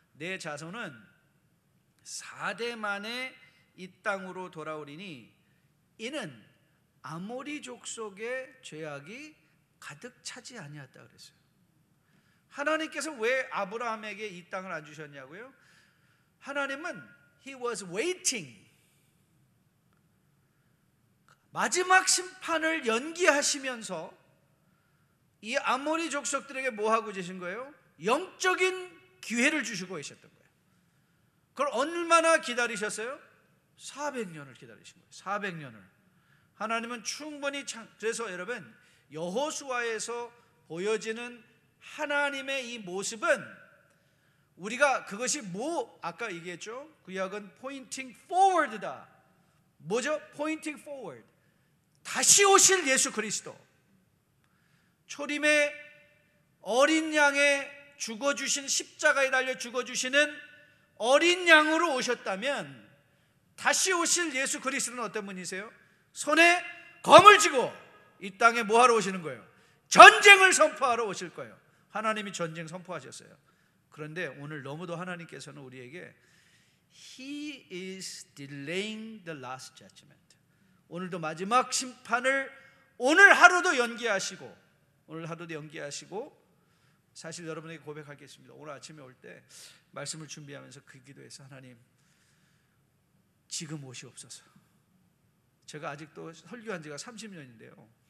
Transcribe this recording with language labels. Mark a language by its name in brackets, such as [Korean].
[Korean] 내 자손은 4대 만에 이 땅으로 돌아오리니 이는 아모리 족속의 죄악이 가득 차지 아니하였다 그랬어요. 하나님께서 왜 아브라함에게 이 땅을 안 주셨냐고요? [English] 하나님은 He was waiting. [Korean] 마지막 심판을 연기하시면서 이 아모리 족속들에게 뭐하고 계신 거예요? 영적인 기회를 주시고 계셨던 거예요. 그걸 얼마나 기다리셨어요? 400년을 기다리신 거예요. 400년을. 하나님은 충분히 그래서 여러분, 여호수아에서 보여지는 하나님의 이 모습은 우리가 그것이 뭐 아까 얘기했죠? 구약은 [English] pointing forward [Korean] 다. 뭐죠? [English] pointing forward. [Korean] 다시 오실 예수 그리스도. 초림의 어린 양의 죽어주신 십자가에 달려 죽어주시는 어린 양으로 오셨다면 다시 오실 예수 그리스도는 어떤 분이세요? 손에 검을 쥐고 이 땅에 뭐하러 오시는 거예요? 전쟁을 선포하러 오실 거예요. 하나님이 전쟁 선포하셨어요. 그런데 오늘 너무도 하나님께서는 우리에게 [English] He is delaying the last judgment. [Korean] 오늘도 마지막 심판을 오늘 하루도 연기하시고 오늘 하루도 연기하시고 사실 여러분에게 고백하겠습니다. 오늘 아침에 올 때 말씀을 준비하면서 그 기도해서 하나님 지금 옷이 없어서 제가 아직도 설교한 지가 30년인데요.